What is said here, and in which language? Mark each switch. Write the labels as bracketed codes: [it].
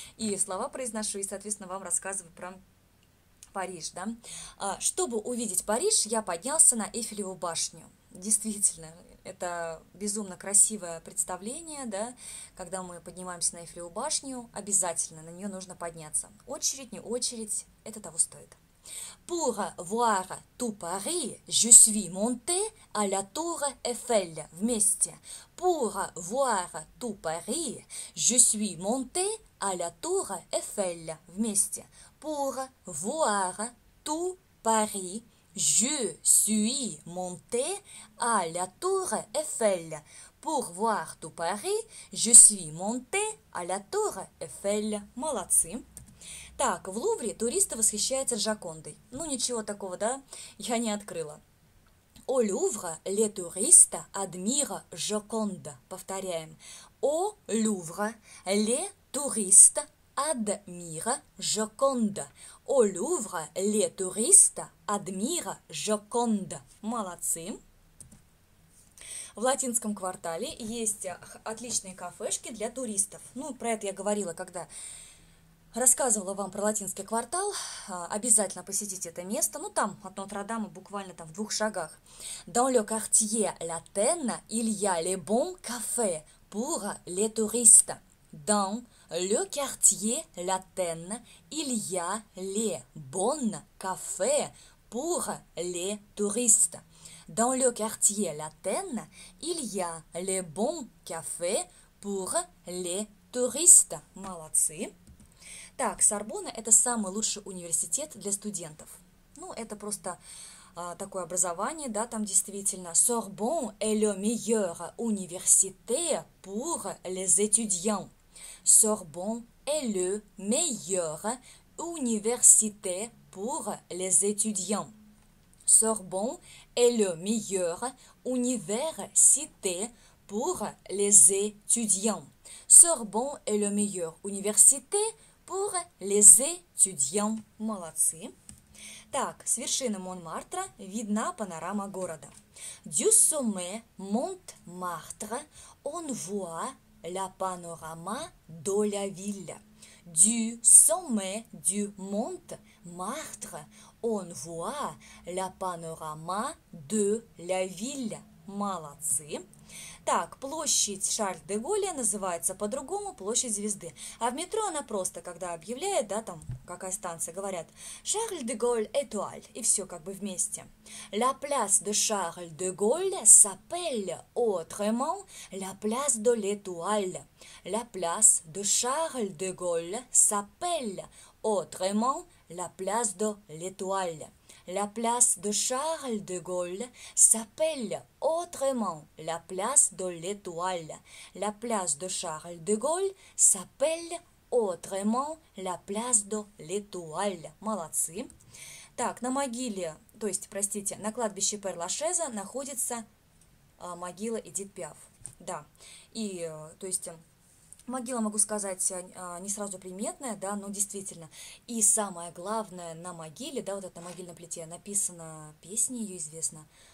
[ru] И слова произношу, и, соответственно, вам рассказываю про Париж, да. Чтобы увидеть Париж, я поднялся на Эйфелеву башню. Действительно, это безумно красивое представление, да, когда мы поднимаемся на Эйфелеву башню, обязательно на нее нужно подняться. Очередь, не очередь, это того стоит. [fr] Pour voir tout Paris, je suis monté à la tour Eiffel. [ru] Вместе. [fr] Pour voir tout Paris, je suis monté à la tour Eiffel. [ru] Вместе. [fr] Pour voir tout Paris, je suis monté à la tour Eiffel. Pour voir tout Paris, je suis monté à la tour Eiffel. [ru] Молодцы. Так, в Лувре туристы восхищаются Джокондой. Ну, ничего такого, да, я не открыла. [fr] Au Louvre, les touristes admirent Joconde. [ru] Повторяем. [fr] Au Louvre, les touristes admirent Joconde. Au Louvre, les touristes admirent Joconde. [ru] Молодцы. В Латинском квартале есть отличные кафешки для туристов. Ну, про это я говорила, когда рассказывала вам про Латинский квартал, обязательно посетите это место. Ну, там, от Нотр-Дама, буквально там в двух шагах. [fr] Dans le quartier latin, il y a les bons cafés pour les touristes. Dans le quartier latin, il y a les bons cafés pour les touristes. Dans le quartier latin, il y a les bons cafés pour les touristes. [ru] Молодцы. Так, Сорбонна – это самый лучший университет для студентов. Ну, это просто такое образование, да, там действительно. [fr] Sorbonne est le meilleur université pour les étudiants. Sorbonne est le meilleur université pour les étudiants. Sorbonne est le meilleur université pour les étudiants. Sorbonne est le meilleur université pour les étudiants. [ru] Молодцы. Так, с вершины Монмартра видна панорама города. [fr] Du sommet Montmartre, on voit la panorama de la ville. Du sommet du Montmartre, on voit la panorama de la ville. [ru] Молодцы. Так, площадь Шарль-де-Голля называется по-другому площадь звезды. А в метро она просто, когда объявляет, да, там, какая станция, говорят «Шарль-де-Голль этуаль», и все как бы вместе. [fr] «La place de Charles-de-Gaulle s'appelle autrement la place de l'étoile. La place de Charles-de-Gaulle s'appelle autrement la place de l'étoile». La place de Charles de Gaulle s'appelle autrement la place de l'Étoile. La place de Charles de Gaulle s'appelle autrement la place de l'Étoile. [ru] Молодцы. Так, на могиле, то есть, простите, на кладбище Пер-Лашеза находится могила Эдит Пиаф. Да. И, то есть, могила, могу сказать, не сразу приметная, да, но действительно. И самое главное, на могиле, да, вот это на могильной плите написано песня ее известна.